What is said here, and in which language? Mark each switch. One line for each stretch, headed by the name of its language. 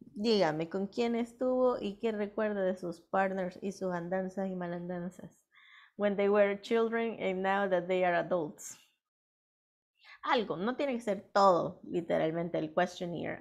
Spanish: Dígame, ¿con quién estuvo y qué recuerda de sus partners y sus andanzas y malandanzas?
English: When they were children and now that they are adults.
Spanish: Algo, no tiene que ser todo, literalmente, el questionnaire.